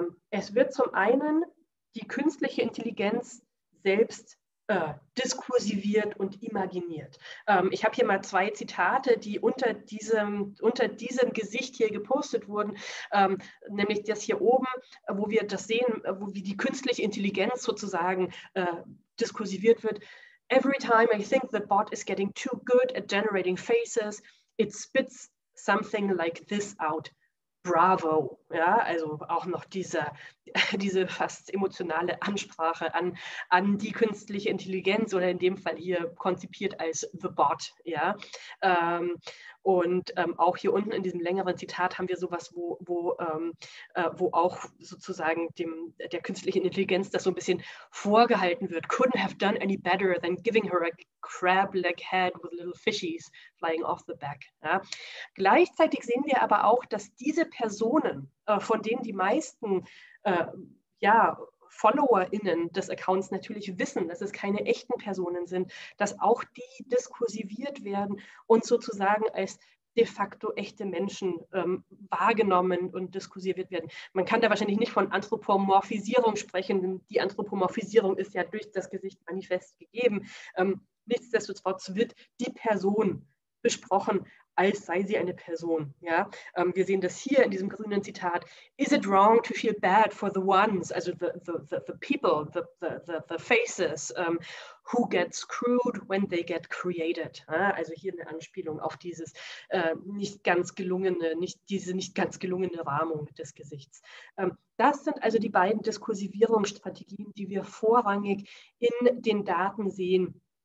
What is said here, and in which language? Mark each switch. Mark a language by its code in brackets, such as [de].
[de] Es wird zum einen die künstliche Intelligenz selbst diskursiviert und imaginiert. Ich habe hier mal 2 Zitate, die unter diesem Gesicht hier gepostet wurden, nämlich das hier oben, wo wir das sehen, wo wie die künstliche Intelligenz sozusagen diskursiviert wird. [en] Every time I think the bot is getting too good at generating faces, it spits something like this out. [de] Bravo, ja, also auch noch diese fast emotionale Ansprache an die künstliche Intelligenz oder in dem Fall hier konzipiert als The Bot, ja. Auch hier unten in diesem längeren Zitat haben wir sowas, wo auch sozusagen der künstlichen Intelligenz das so ein bisschen vorgehalten wird. [en] Couldn't have done any better than giving her a crab-leg head with little fishies flying off the back. [de] Ja. Gleichzeitig sehen wir aber auch, dass diese Personen, von denen die meisten FollowerInnen des Accounts natürlich wissen, dass es keine echten Personen sind, dass auch die diskursiviert werden und sozusagen als de facto echte Menschen wahrgenommen und diskursiviert werden. Man kann da wahrscheinlich nicht von Anthropomorphisierung sprechen, denn die Anthropomorphisierung ist ja durch das Gesicht manifest gegeben. Nichtsdestotrotz wird die Person besprochen, als sei sie eine Person. Ja? Wir sehen das hier in diesem grünen Zitat. [en] Is it wrong to feel bad for the ones, also the people, the faces, who get screwed when they get created? [de] Ja? Also hier eine Anspielung auf dieses nicht ganz gelungene Rahmung des Gesichts. Das sind also die beiden Diskursivierungsstrategien, die wir vorrangig in den Daten sehen.